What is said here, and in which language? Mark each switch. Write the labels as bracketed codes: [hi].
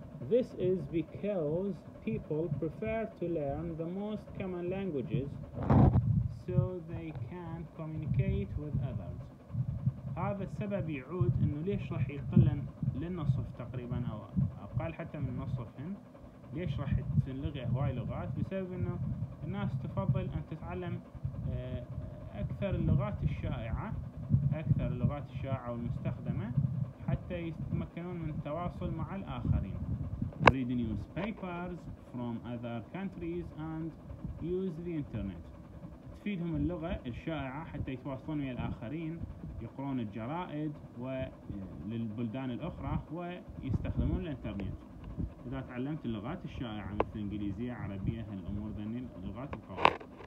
[en] This is because people prefer to learn the most common languages so they can communicate with others. [ar] هذا السبب يعود انه ليش راح يقل للنصف تقريبا او اقل حتى من نصفهم، ليش راح تنلغي هواي لغات؟ بسبب انه الناس تفضل ان تتعلم اكثر اللغات الشائعة، اكثر اللغات الشائعة والمستخدمة حتى يتمكنون من التواصل مع الاخرين. [en] read newspapers from other countries and use the internet. [ar] تفيدهم اللغة الشائعة حتى يتواصلون مع الاخرين، يقرون الجرائد وللبلدان الاخرى ويستخدمون الانترنت. إذا تعلمت اللغات الشائعة مثل الإنجليزية العربية هالأمور ذني اللغات القوية.